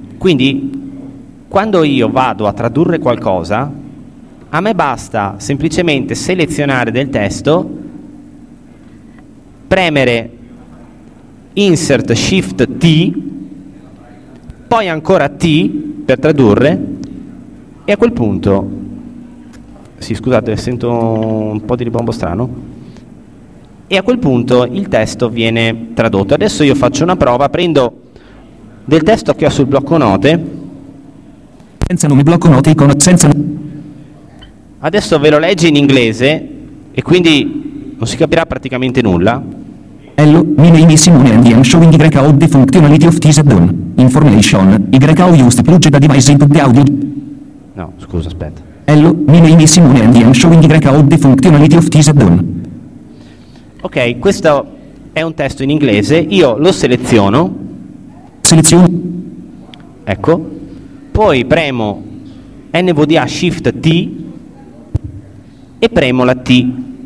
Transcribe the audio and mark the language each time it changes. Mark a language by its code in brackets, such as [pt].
[it] Quindi quando io vado a tradurre qualcosa, a me basta semplicemente selezionare del testo, premere Insert Shift T, poi ancora T per tradurre, e a quel punto, sì, scusate, sento un po' di ribombo strano, e a quel punto il testo viene tradotto. Adesso io faccio una prova, prendo del testo che ho sul blocco note. Senza nome blocco note icona senza. Adesso ve lo leggi in inglese e quindi non si capirà praticamente nulla. [en] Hello, my name is Simone and I am showing YOU the functionality of this add-on. Information, YOU used to plug the device into the audio. [it] No, scusa, aspetta. [en] Hello, my name is Simone and I am showing YOU the functionality of this add-on. [it] Ok, questo è un testo in inglese, io lo seleziono. Seleziono. Ecco. Poi premo NVDA Shift T e premo la T.